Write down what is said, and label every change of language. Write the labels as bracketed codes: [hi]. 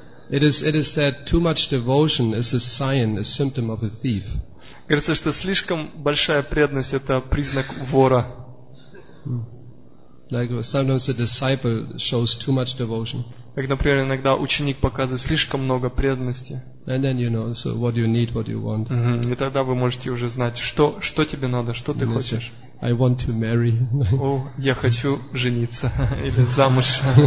[en] It is said too much devotion is a sign, a symptom of a thief. [ru] Говорится, что слишком большая преданность это признак вора. [en] Like sometimes a disciple shows too much devotion. [ru] Как, например, иногда ученик показывает слишком много преданности. [en] And then you know, so what you need, what you want. Mm-hmm. [ru] И тогда вы можете уже знать, что тебе надо, что ты хочешь. [en] I want to marry. [ru] О, я хочу жениться или замуж.